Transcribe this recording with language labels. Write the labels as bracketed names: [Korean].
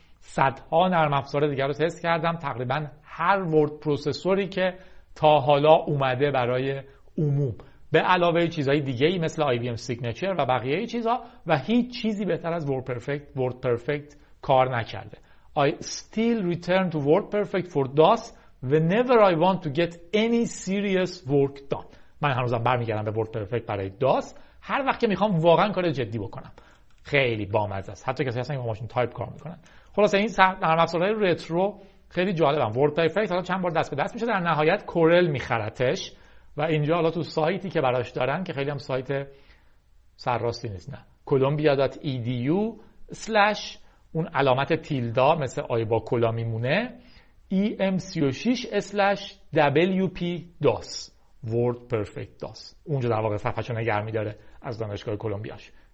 [Persian] صدها نرم افزار دیگر رو تست کردم، تقریبا هر ورد پروسسوری که تا حالا اومده برای عموم، به علاوه چیزهای دیگه ای مثل آی بی ام سیگنچر و بقیه چیزها، و هیچ چیزی بهتر از ورد پرفکت کار نکرده. [English] I still return to Word Perfect for DOS whenever I want to get any serious work done. [Persian] من هنوزم برمیگردم به Word Perfect برای DOS هر وقت که میخوام واقعا کار جدی بکنم. خیلی بامزه است. حتی کسایی هستن که با ماشین تایپ کار میکنن. خلاصه این نرم افزارهای رترو خیلی جالبن. Word Perfect حالا چند بار دست به دست میشه، در نهایت کورل میخرتش و اینجا حالا تو سایتی که براش دارن، که خیلی هم سایت سرراستی نیست، نه، columbia.edu/ اون علامت تیلدا مثل آیبا کلا میمونه، em36/wp-dos Word Perfect DOS، اونجا در واقع صفحه چون نگر میداره از دانشگاه کلمبیاش.